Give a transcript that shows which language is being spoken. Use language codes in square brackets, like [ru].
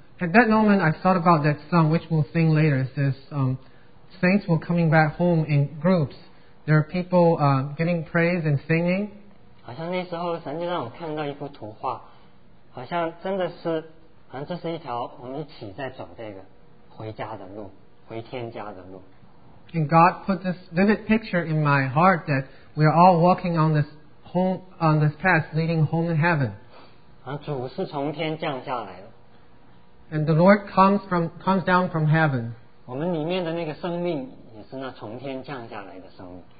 [en] at that moment, I thought about that song, which we'll sing later. It says, "Saints were coming back home in groups." There are people getting praise and singing. [zh] 好像那时候神就让我看到一幅图画，好像真的是，好像这是一条我们一起在走这个回家的路，回天家的路。And [en] God put this vivid picture in my heart that we are all walking on this home, on this path leading home in heaven. [zh] 主是从天降下来的。And [en] the Lord comes down from heaven. [zh] 我们里面的那个生命也是那从天降下来的生命。